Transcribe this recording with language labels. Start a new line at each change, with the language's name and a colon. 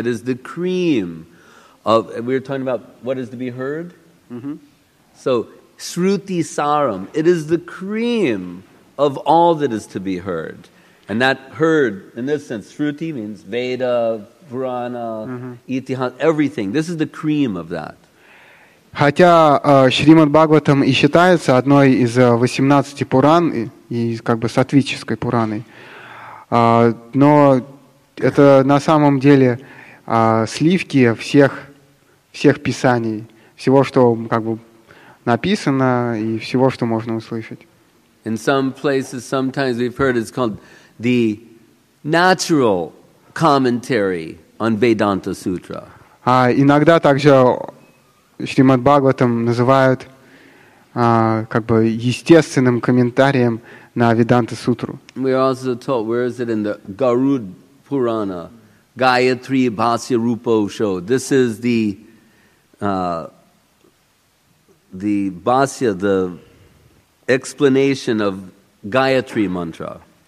English: It is the cream of, we were talking about what is to be heard? Mm-hmm. So, Shruti Saram, it is the cream of all that is to be heard. And that heard, in this sense, Shruti means Veda, Purana, Itihas, everything. This is the cream of that.
Russian: Хотя Шримад Бхагаватам и считается одной из 18 Пуран, и как бы сатвической Пураной, но это на самом деле сливки всех писаний, всего, что как бы написано, и всего, что можно услышать.
English: In some places, sometimes we've heard it's called the natural commentary on Vedanta Sutra.
Russian: Иногда также Шримад Бхагаватам называют как бы естественным комментарием на Веданта Сутру.
English: We are also told, where is it in the Garud Purana, Gayatri Bhasya Rupa Usho. This is the Bhasya, the explanation of Gayatri Mantra.